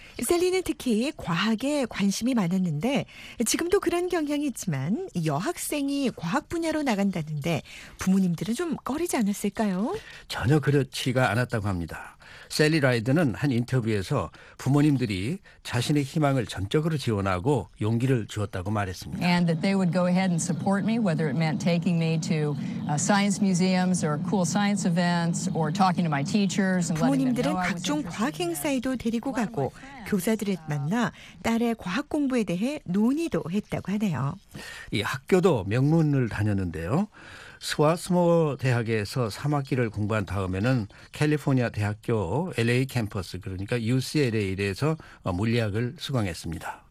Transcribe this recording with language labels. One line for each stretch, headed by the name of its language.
Korean: 셀리는 특히 과학에 관심이 많았는데 지금도 그런 경향이 있지만 여학생이 과학 분야로 나간다는데 부모님들은 좀 꺼리지 않았을까요? 전혀 그렇지가 않았다고 합니다. 셀리 라이드는 한 인터뷰에서 부모님들이 자신의 희망을 전적으로 지원하고 용기를 주었다고 말했습니다.
English: And that they would go ahead and support me, whether it meant taking me to science museums or cool science events or talking to my teachers.
Korean: 부모님들은 각종 과학 행사에도 데리고 가고 교사들에 만나 딸의 과학 공부에 대해 논의도 했다고 하네요. 이 학교도 명문을 다녔는데요. 스와스모어 대학에서 3학기를 공부한 다음에는 캘리포니아 대학교 LA 캠퍼스, 그러니까 UCLA에서 물리학을 수강했습니다.